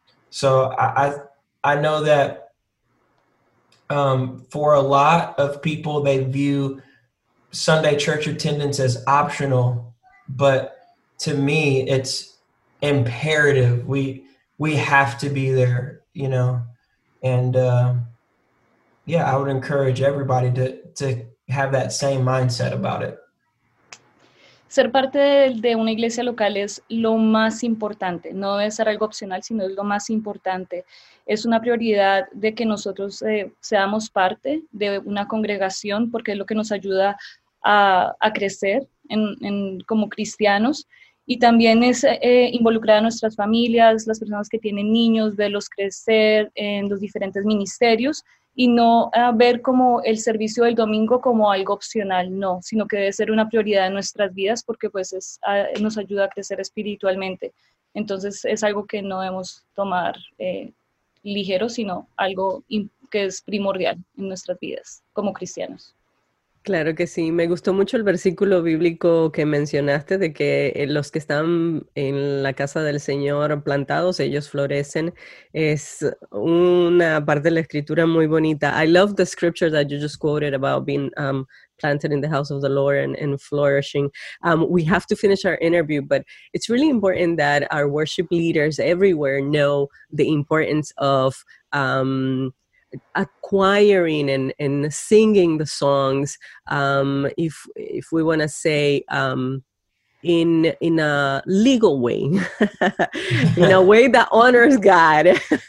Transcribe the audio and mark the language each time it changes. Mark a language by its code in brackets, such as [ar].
[en] So I know that for a lot of people, they view Sunday church attendance as optional, but to me, it's imperative. We have to be there. You know, and I would encourage everybody to have that same mindset about it. [es] Ser parte de una iglesia local es lo más importante. No debe ser algo opcional, sino es lo más importante. Es una prioridad de que nosotros seamos parte de una congregación porque es lo que nos ayuda a crecer en como cristianos. Y también es involucrar a nuestras familias, las personas que tienen niños, verlos crecer en los diferentes ministerios y no ver como el servicio del domingo como algo opcional, no, sino que debe ser una prioridad en nuestras vidas porque pues nos ayuda a crecer espiritualmente. Entonces es algo que no debemos tomar ligero, sino algo que es primordial en nuestras vidas como cristianos. Claro que sí. Me gustó mucho el versículo bíblico que mencionaste de que los que están en la casa del Señor plantados, ellos florecen. Es una parte de la escritura muy bonita. [en] I love the scripture that you just quoted about being planted in the house of the Lord and flourishing. We have to finish our interview, but it's really important that our worship leaders everywhere know the importance of acquiring and singing the songs, if we want to say in a legal way, in a way that honors God.